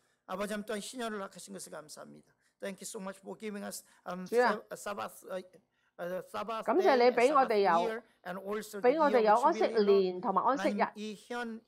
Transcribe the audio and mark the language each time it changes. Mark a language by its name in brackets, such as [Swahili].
[Korean] 아버지님 또한 희년을 낳으신 것을 감사합니다. [English] Thank you so much for giving us Sabbath. [Cantonese] 感謝你俾我哋有，俾我哋有安息年同埋安息日。